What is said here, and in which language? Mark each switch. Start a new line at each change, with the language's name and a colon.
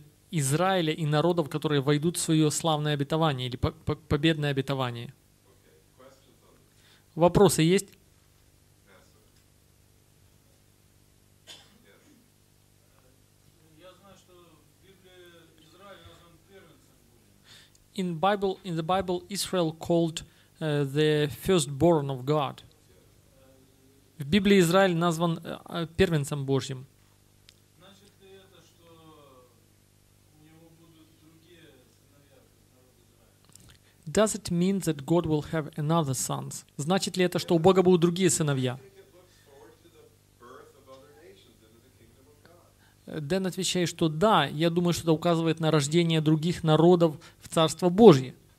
Russian: Израиля и народов, которые войдут в свое славное обетование или победное обетование. Вопросы есть? Я знаю, что в Библии Израиль назван первенцем.
English: In the Bible, Israel called the firstborn of God.
Russian: В Библии Израиль назван первенцем Божьим.
English: Does it mean that God will have another sons?
Russian: Значит ли это, что у Бога будут другие сыновья? Дэн отвечает, что да, я думаю, что это указывает на рождение других народов в Царство Божье.